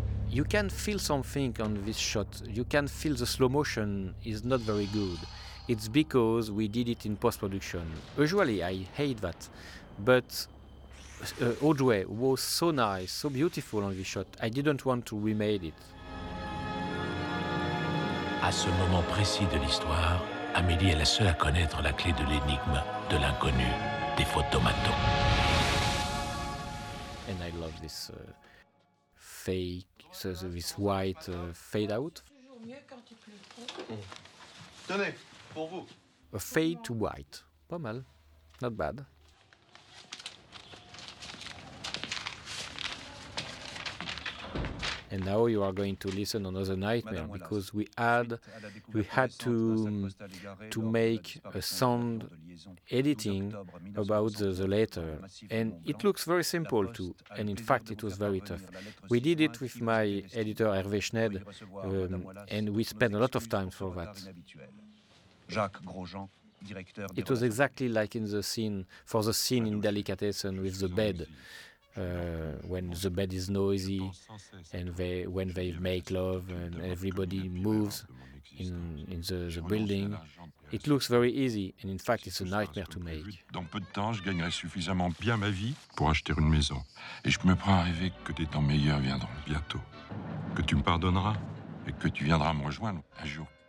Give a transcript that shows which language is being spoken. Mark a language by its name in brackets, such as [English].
[English] You can feel something on this shot. You can feel the slow motion is not very good. It's because we did it in post-production. Usually I hate that, but Audrey was so nice, so beautiful on this shot. I didn't want to remake it. [French] À ce moment précis de l'histoire, Amélie est la seule à connaître la clé de l'énigme, de l'inconnu, des photomatons. [English] And I love this this white fade out. [French] Tenez, pour vous. [English] A fade to white. [French] Pas mal. [English] Not bad. And now you are going to listen to another nightmare, because we had to make a sound editing about the letter. And it looks very simple too, and in fact it was very tough. We did it with my editor Hervé Schned, and we spent a lot of time for that. Jacques Grosjean. It was exactly like in the scene, for the scene in Delicatessen with the bed. When the bed is noisy, and when they make love, and everybody moves in the building, it looks very easy, and in fact, it's a nightmare to make. [French] Dans peu de temps, je gagnerai suffisamment bien ma vie pour acheter une maison, et je me prends à rêver que des temps meilleurs viendront bientôt, que tu me pardonneras et que tu viendras me rejoindre un jour.